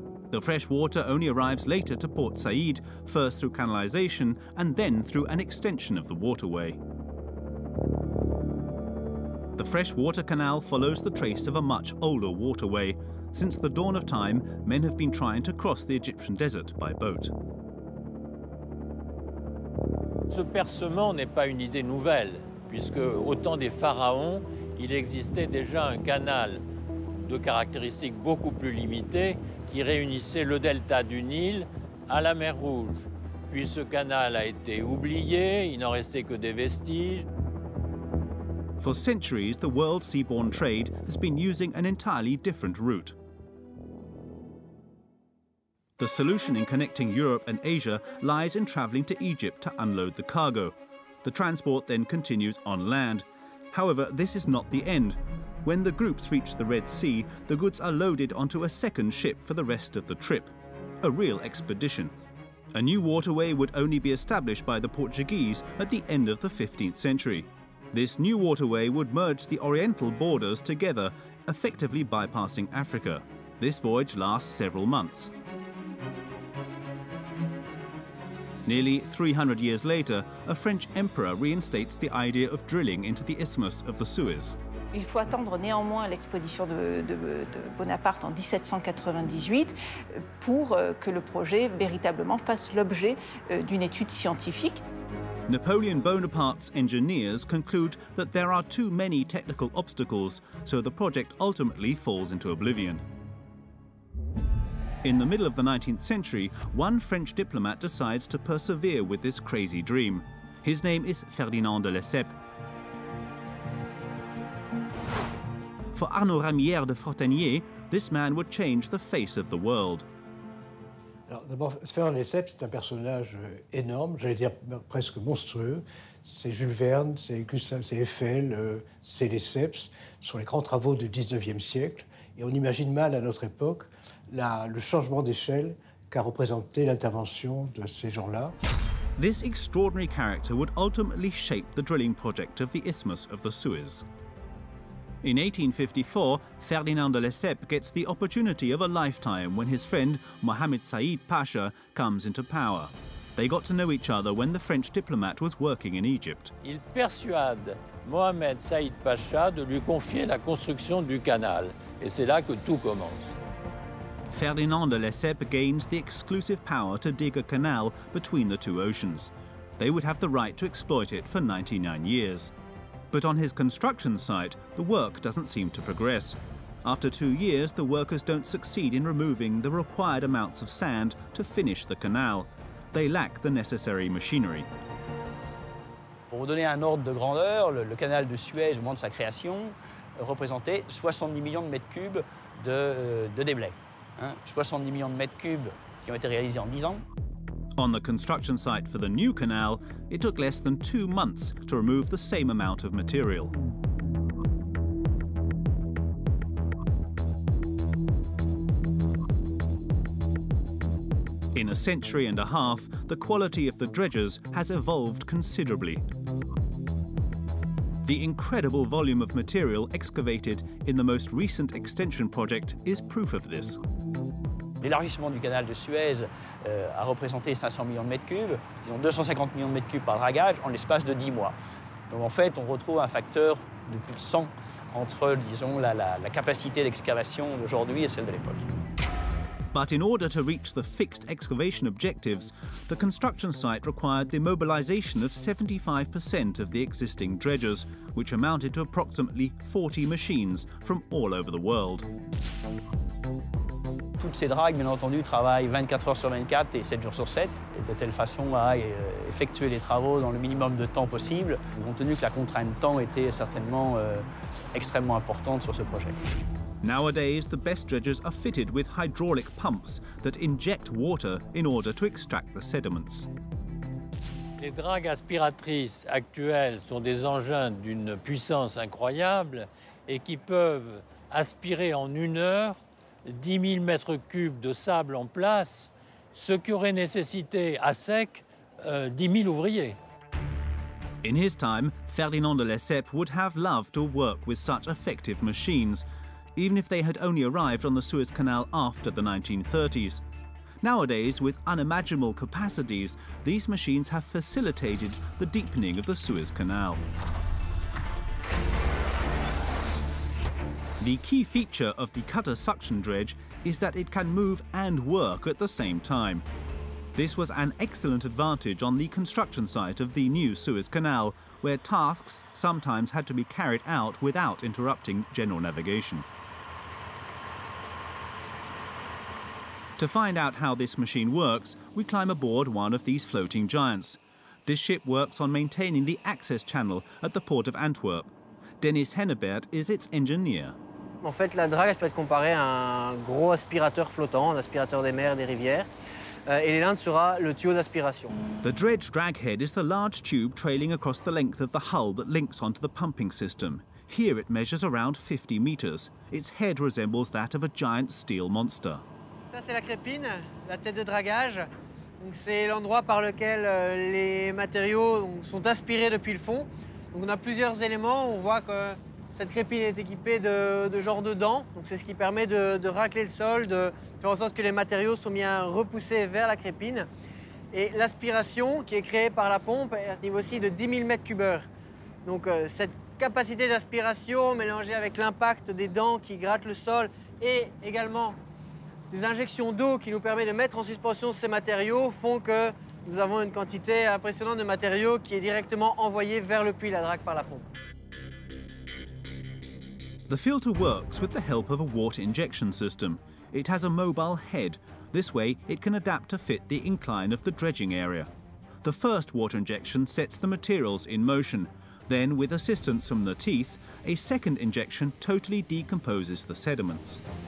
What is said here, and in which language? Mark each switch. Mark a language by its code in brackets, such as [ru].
[en] The fresh water only arrives later to Port Said, first through canalization and then through an extension of the waterway. The fresh water canal follows the trace of a much older waterway. Since the dawn of time, men have been trying to cross the Egyptian desert by boat. [fr] Ce percement n'est pas une idée nouvelle, puisque au temps des pharaons, il existait déjà un canal de caractéristiques beaucoup plus limitées qui réunissait le delta du Nil à la mer Rouge. Puis ce canal a été oublié, il n'en restait que des vestiges. [en] For centuries, the world seaborne trade has been using an entirely different route. The solution in connecting Europe and Asia lies in traveling to Egypt to unload the cargo. The transport then continues on land. However, this is not the end. When the groups reach the Red Sea, the goods are loaded onto a second ship for the rest of the trip. A real expedition. A new waterway would only be established by the Portuguese at the end of the 15th century. This new waterway would merge the Oriental borders together, effectively bypassing Africa. This voyage lasts several months. Nearly 300 years later, a French emperor reinstates the idea of drilling into the isthmus of the Suez. [fr] Il faut attendre néanmoins l'expédition de Bonaparte en 1798 pour que le projet véritablement fasse l'objet d'une étude scientifique. [en] Napoleon Bonaparte's engineers conclude that there are too many technical obstacles, so the project ultimately falls into oblivion. In the middle of the 19th century, one French diplomat decides to persevere with this crazy dream. His name is Ferdinand de Lesseps. For Arnaud Ramière de Fontenier, this man would change the face of the world. [fr] Alors, d'abord, Ferdinand de Lesseps, c'est un personnage énorme, j'allais dire presque monstrueux. C'est Jules Verne, c'est Eiffel, c'est Lesseps. Ce sont les grands travaux du 19e siècle. Et on imagine mal à notre époque le changement d'échelle qu'a représenté l'intervention de ces gens-là. [en] This extraordinary character would ultimately shape the drilling project of the Isthmus of the Suez. In 1854, Ferdinand de Lesseps gets the opportunity of a lifetime when his friend Mohamed Said Pasha comes into power. They got to know each other when the French diplomat was working in Egypt. [fr] Il persuade Mohamed Said Pasha de lui confier la construction du canal, et c'est là que tout commence. [en] Ferdinand de Lesseps gains the exclusive power to dig a canal between the two oceans. They would have the right to exploit it for 99 years. But on his construction site, the work doesn't seem to progress. After 2 years, the workers don't succeed in removing the required amounts of sand to finish the canal. They lack the necessary machinery. [fr] Pour vous donner un ordre de grandeur, le canal de Suez, au moment de sa création, représentait 70 millions de mètres cubes de déblais. 70 millions de mètres cubes qui ont été réalisés en 10 ans. [en] On the construction site for the new canal, it took less than 2 months to remove the same amount of material. In a century and a half, the quality of the dredgers has evolved considerably. The incredible volume of material excavated in the most recent extension project is proof of this. [fr] L'élargissement du canal de Suez a représenté 500 millions de mètres cubes, disons 250 millions de mètres cubes par dragage en l'espace de 10 mois. Donc en fait, on retrouve un facteur de plus de 100 entre, disons, la capacité d'excavation d'aujourd'hui et celle de l'époque. [en] But in order to reach the fixed excavation objectives, the construction site required the mobilization of 75% of the existing dredgers, which amounted to approximately 40 machines from all over the world. [fr] Toutes ces dragues, bien entendu, travaillent 24 heures sur 24 et 7 jours sur 7, de telle façon à effectuer les travaux dans le minimum de temps possible, compte tenu que la contrainte de temps était certainement extrêmement importante sur ce projet. [en] Nowadays, the best dredgers are fitted with hydraulic pumps that inject water in order to extract the sediments. [fr] Les dragues aspiratrices actuelles sont des engins d'une puissance incroyable et qui peuvent aspirer en une heure 10 000 mètres cubes de sable en place, ce qui aurait nécessité à sec 10 000 ouvriers. [en] In his time, Ferdinand de Lesseps would have loved to work with such effective machines, even if they had only arrived on the Suez Canal after the 1930s. Nowadays, with unimaginable capacities, these machines have facilitated the deepening of the Suez Canal. The key feature of the cutter suction dredge is that it can move and work at the same time. This was an excellent advantage on the construction site of the new Suez Canal, where tasks sometimes had to be carried out without interrupting general navigation. To find out how this machine works, we climb aboard one of these floating giants. This ship works on maintaining the access channel at the port of Antwerp. Dennis Hennebert is its engineer. [fr] En fait, la drague peut être comparée à un gros aspirateur flottant, l'aspirateur des mers, des rivières. Et l'élan sera le tuyau d'aspiration. [en] The dredge drag head is the large tube trailing across the length of the hull that links onto the pumping system. Here it measures around 50 meters. Its head resembles that of a giant steel monster. [fr] Ça, c'est la crépine, la tête de dragage. Donc, c'est l'endroit par lequel les matériaux sont aspirés depuis le fond. Donc, on a plusieurs éléments. On voit que cette crépine est équipée de genre de dents. Donc, c'est ce qui permet de racler le sol, de faire en sorte que les matériaux sont bien repoussés vers la crépine. Et l'aspiration qui est créée par la pompe est à ce niveau-ci de 10 000 mètres cubeurs. Donc, cette capacité d'aspiration mélangée avec l'impact des dents qui grattent le sol et également des injections d'eau qui nous permet de mettre en suspension ces matériaux font que nous avons une quantité impressionnante de matériaux qui est directement envoyé vers le puits de la drague par la pompe. [en] The filter works with the help of a water injection system. It has a mobile head. This way, it can adapt to fit the incline of the dredging area. The first water injection sets the materials in motion. Then, with assistance from the teeth, a second injection totally decomposes the sediments.